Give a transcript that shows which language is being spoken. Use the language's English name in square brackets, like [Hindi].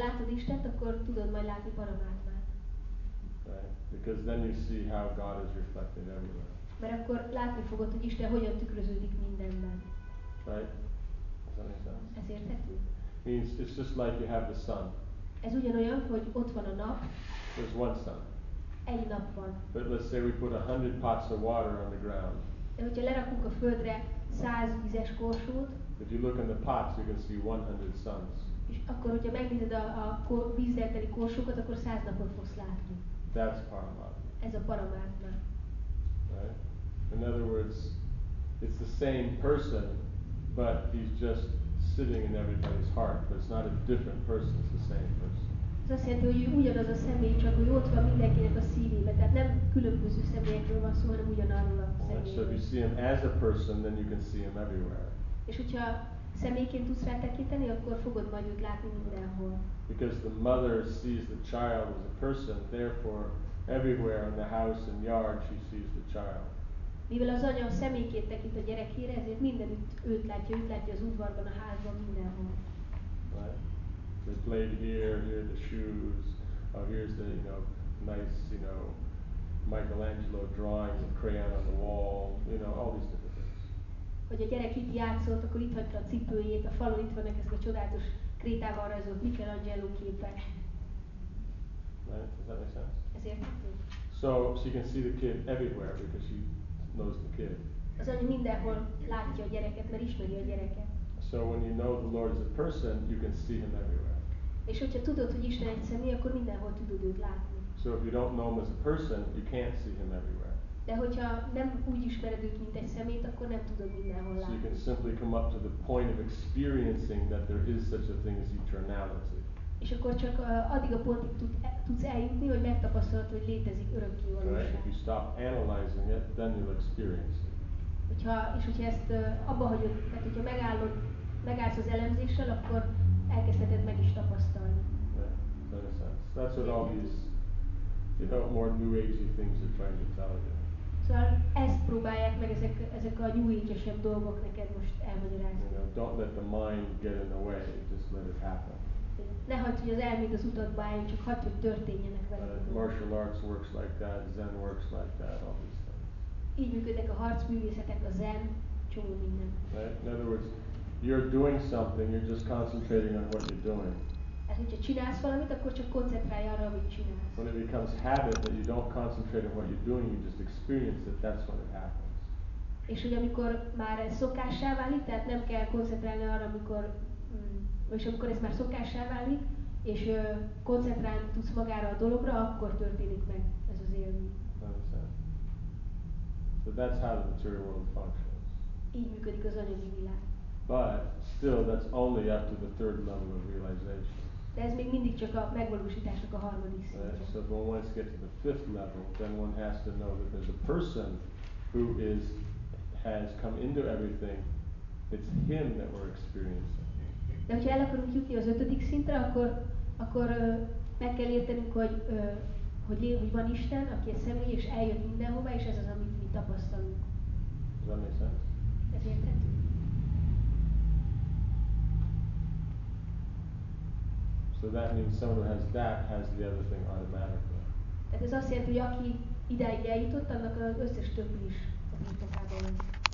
[Hungarian] Ha látod Istent, akkor tudod majd látni Paramatmát. [English] Right. Because then you see how God is reflected everywhere. [Hungarian] Mert akkor látni fogod, hogy Isten hogyan tükröződik mindenben. [English] Right. [Hungarian] Ez érthető? [English] Means it's just like you have the sun. [Hungarian] Ez ugyanolyan, hogy ott van a nap. [English] There's one sun. [Hungarian] Egy nap van. [English] But let's say we put 100 pots of water on the ground. [Hungarian] De hogyha lerakunk a földre 100 vizes korsót. [English] If you look in the pots, you can see 100 suns. [Hungarian] És akkor, hogyha megnézed a vízzel teli korsókat, akkor 100 napot fogsz látni. [English] That's Paramatma. [Hungarian] Ez a Paramatma. [English] Right? In other words, it's the same person, but he's just sitting in everybody's heart. But it's not a different person, it's the same person. [Hungarian] Ez azt jelenti, hogy ugyanaz a személy, csak hogy ott van mindenkinek a szívében. Tehát nem különböző személyekről van szó, hanem ugyanarról a személyről. [English] So if you see him as a person, then you can see him everywhere. [Hungarian] És hogyha személyként tudsz rá tekinteni, akkor fogod majd őt látni mindenhol. [English] Because the mother sees the child as a person, therefore Everywhere in the house and yard she sees the child. [Hungarian] Mivel az anya személyként tekint a gyerekére, ezért mindenütt őt látja az udvarban, a házban, mindenhol. [English] Right. They played here, here are the shoes. Oh, here's the, you know, nice, you know, Michelangelo drawing with crayon on the wall, you know, all these different things. [Hungarian] Hogy a gyerek itt játszott, akkor itt hagyta a cipőjét, a falon itt vannak ezek a csodálatos krétával rajzolt Michelangelo képek. [English] Right? Does that make sense? [Hungarian] Ez érthető. [English] So she can see the kid everywhere because she knows the kid. [Hungarian] Az anya mindenhol látja a gyereket, mert ismeri a gyereket. [English] So when you know the Lord is a person, you can see him everywhere. [Hungarian] És hogyha tudod, hogy Isten egy személy, akkor mindenhol tudod őt látni. [English] So if you don't know him as a person, you can't see him everywhere. [Hungarian] De hogyha nem úgy ismered őt, mint egy személyt, akkor nem tudod mindenhol látni. [English] So you can simply come up to the point of experiencing that there is such a thing as eternality. [Hungarian] És akkor csak addig a pontig tudsz eljutni, hogy megtapasztalod, hogy létezik örökké valóság. [English] If you stop analyzing it, then you'll experience it. [Hungarian] Hogyha, és hogyha ezt abba hagyod, tehát hogyha megállod, megállsz az elemzéssel, akkor elkezdheted meg is tapasztalni. [English] Yeah, that makes sense. That's what all these, you know, more new age things are trying to tell you. [Hungarian] Szóval ezt próbálják meg ezek a new age-esebb dolgok neked most elmagyarázni. [English] You know, don't let the mind get in the way, just let it happen. [Hungarian] Ne hagyd, hogy az elméd az utatba álljon, csak hagyd, hogy történjenek vele. [English] Martial arts works like that, Zen works like that, all these things. [Hungarian] Így működnek a harcművészetek, a Zen, csomó minden. [English] Right? In other words, you're doing something, you're just concentrating on what you're doing. [Hungarian] Hát, hogyha csinálsz valamit, akkor csak koncentrálj arra, amit csinálsz. [English] When it becomes habit that you don't concentrate on what you're doing, you just experience it, that's when it happens. [Hungarian] És hogy amikor már ez szokássá válik, tehát nem kell koncentrálni arra, amikor és amikor ez már szokássá válik, és koncentrálni tudsz magára a dologra, akkor történik meg ez az élmény. [English] So that's how the material world functions. [Hungarian] Így működik az anyagi világ. [English] But still, that's only up to the third level of realization. [Hungarian] De ez még mindig csak a megvalósításnak a harmadik szintje. [English] So when one gets to the fifth level, then one has to know that there's a person who is has come into everything. It's him that we're experiencing. [Hungarian] De hogyha el akarunk jutni az ötödik szintre, akkor meg kell értenünk, hogy van Isten, aki egy személy, és eljön mindenhova, és ez az, amit mi tapasztalunk. [English] Does that make sense? [Hungarian] Ez érthető. [English] So that means someone who has that has the other thing automatically. [Hungarian] Tehát ez azt jelenti, hogy aki ideig eljutott, annak az összes többi is a birtokában lesz.